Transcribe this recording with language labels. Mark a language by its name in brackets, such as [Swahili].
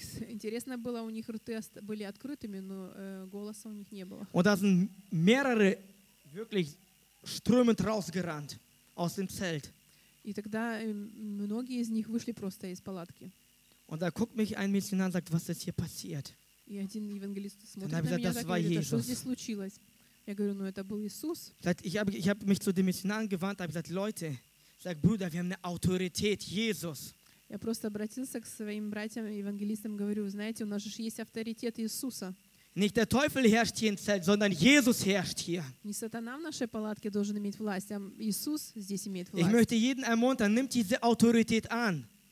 [Russian] Интересно было, у них рты были открытыми, но голоса у них не было. [German] Und da sind mehrere wirklich strömend rausgerannt aus dem Zelt. [Russian] И тогда многие из них вышли просто из палатки. [German] Und da guckt mich ein Mädchen an und sagt, was ist hier passiert? [Russian] И один евангелист смотрит на меня и говорит, что здесь случилось? Я говорю, ну это был Иисус. [German] Ich hab mich zu dem Mädchen angewandt, habe gesagt, Leute, sag Bruder, wir haben eine Autorität, Jesus. [Russian] Я просто обратился к своим братьям евангелистам, говорю, знаете, у нас же есть авторитет Иисуса. [German] Nicht der Teufel herrscht hier im Zelt, sondern Jesus herrscht hier. [Russian] Не сатана в нашей палатке должен иметь власть, а Иисус здесь имеет власть. [German] Ich möchte jeden ermuntern, nimmt diese Autorität an.